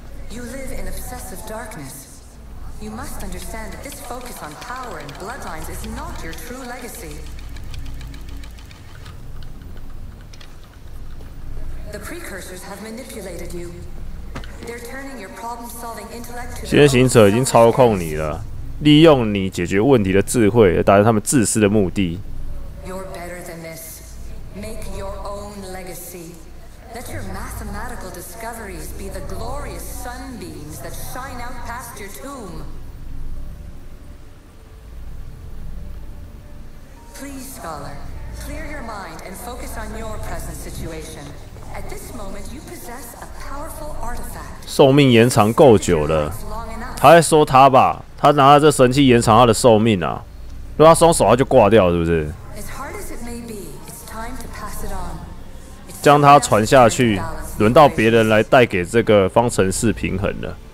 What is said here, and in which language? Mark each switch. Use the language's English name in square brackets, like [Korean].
[English] You live in obsessive darkness. You must understand that this focus on power and bloodlines is not your true legacy. The precursors have manipulated you. They're turning your problem-solving intellect to. [Chinese] 先行者已经操控你了，利用你解决问题的智慧，达到他们自私的目的。 [English] You're better than this. Make your own legacy. Let your mathematical discoveries be the glorious sunbeams that shine out past your tomb. Please, scholar, clear your mind and focus on your present situation. At this moment, you possess a powerful artifact. [Chinese] 寿命延长够久了，他在说他吧，他拿了这神器延长他的寿命啊。如果他松手，他就挂掉，是不是？ [English] As hard as it may be, it's time to pass it on. [Chinese] 将它传下去，轮到别人来带给这个方程式平衡了。